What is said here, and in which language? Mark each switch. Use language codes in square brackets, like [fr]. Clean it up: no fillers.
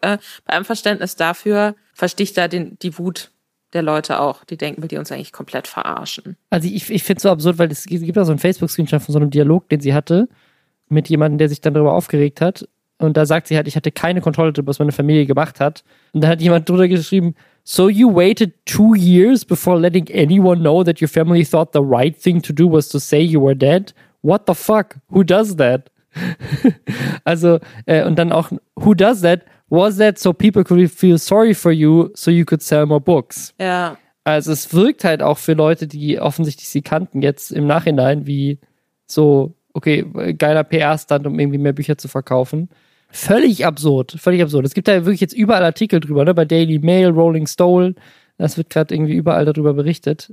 [de] Bei einem Verständnis dafür verstehe ich da die Wut der Leute auch. Die denken, will die uns eigentlich komplett verarschen. Also ich finde es so absurd, weil es gibt da so einen Facebook-Screenshot von so einem Dialog, den sie hatte mit jemandem, der sich dann darüber aufgeregt hat. Und da sagt sie halt, ich hatte keine Kontrolle darüber, was meine Familie gemacht hat. Und da hat jemand drunter geschrieben, [en] so you waited 2 years before letting anyone know that your family thought the right thing to do was to say you were dead? What the fuck? Who does that? [de] Also, und dann auch, [en] who does that? Was that so people could feel sorry for you, so you could sell more books? [de] Ja. Also es wirkt halt auch für Leute, die offensichtlich sie kannten, jetzt im Nachhinein, wie so, okay, geiler PR-Stunt, um irgendwie mehr Bücher zu verkaufen. Völlig absurd, völlig absurd. Es gibt da wirklich jetzt überall Artikel drüber, ne? Bei Daily Mail, Rolling Stone, das wird gerade irgendwie überall darüber berichtet.